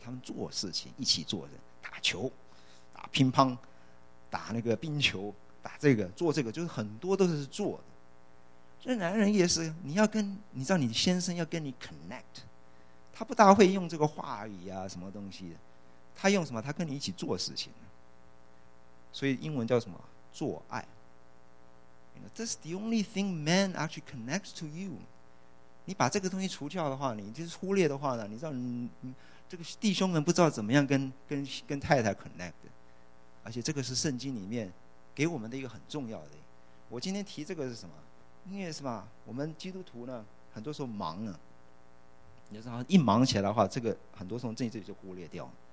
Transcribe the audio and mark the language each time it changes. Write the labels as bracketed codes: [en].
[zh] 他们做事情，一起做的，打球。乒乓，打那个冰球，打这个，做这个，就是很多都是做的。这男人也是，你要跟，你知道你先生要跟你 connect， 他不大会用这个话语啊，什么东西，他用什么？他跟你一起做事情。所以英文叫什么？做爱。 [en] You know, that's the only thing man actually connects to you。 [zh] 你把这个东西除掉的话，你就是忽略的话呢，你知道，这个弟兄们不知道怎么样跟太太 connect。而且这个是圣经里面给我们的一个很重要的。我今天提这个是什么？因为什么？我们基督徒呢，很多时候忙呢，你知道，一忙起来的话，这个很多时候这里就忽略掉了。